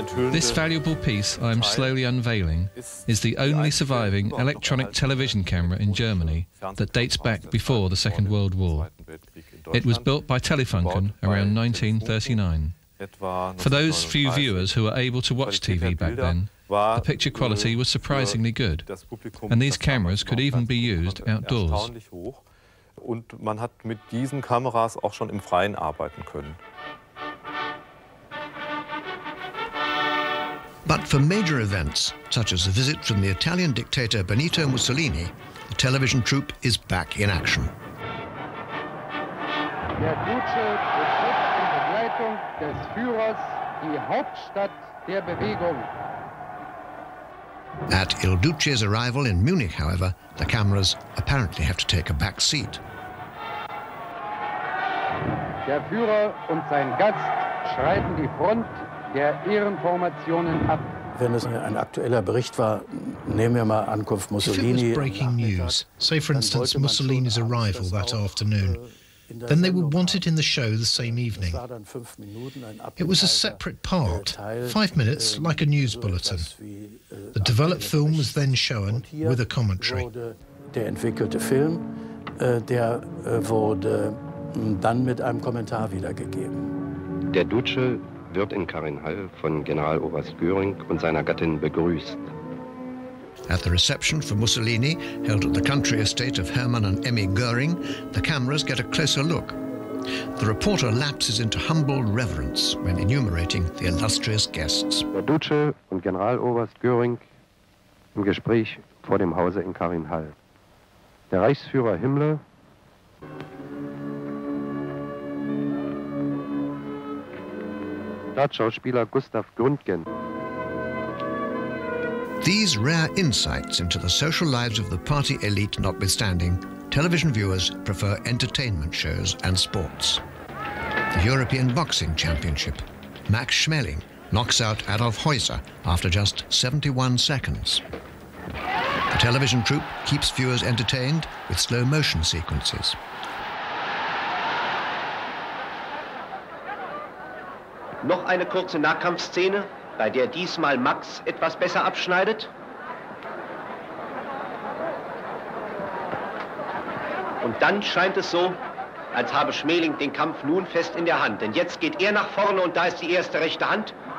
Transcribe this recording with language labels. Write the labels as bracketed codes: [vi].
[en] This valuable piece I am slowly unveiling is the only surviving electronic television camera in Germany that dates back before the Second World War. It was built by Telefunken around 1939. For those few viewers who were able to watch TV back then, the picture quality was surprisingly good, and these cameras could even be used outdoors. [de] Und man hat mit diesen Kameras auch schon im Freien arbeiten können. [en] But for major events, such as a visit from the Italian dictator Benito Mussolini, the television troupe is back in action. [de] Der Duce betritt in Begleitung des Führers die Hauptstadt der Bewegung. [en] At Il Duce's arrival in Munich, however, the cameras apparently have to take a back seat. [de] Der Führer und sein Gast schreiten die Front der Ehrenformationen ab. Wenn es ein aktueller Bericht war, nehmen wir mal Ankunft Mussolini. [en] If it was breaking news, say for instance Mussolini's arrival that afternoon, then they would want it in the show the same evening. It was a separate part, 5 minutes, like a news bulletin. The developed film was then shown with a commentary. [de] Der entwickelte Film, der wurde dann mit einem Kommentar wiedergegeben. Der Duce wird in Karinhall von Generaloberst Göring und seiner Gattin begrüßt. [en] At the reception for Mussolini, held at the country estate of Hermann and Emmy Göring, the cameras get a closer look. The reporter lapses into humble reverence when enumerating the illustrious guests. [de] Der Duce und Generaloberst Göring im Gespräch vor dem Hause in Karinhall. Der Reichsführer Himmler. Staatsschauspieler Gustav Gründgen. [en] These rare insights into the social lives of the party elite notwithstanding, television viewers prefer entertainment shows and sports. The European Boxing Championship. Max Schmeling knocks out Adolf Heuser after just 71 seconds. The television troupe keeps viewers entertained with slow motion sequences. [de] Noch eine kurze Nahkampfszene, bei der diesmal Max etwas besser abschneidet. Und dann scheint es so, als habe Schmeling den Kampf nun fest in der Hand. Denn jetzt geht er nach vorne und da ist die erste rechte Hand.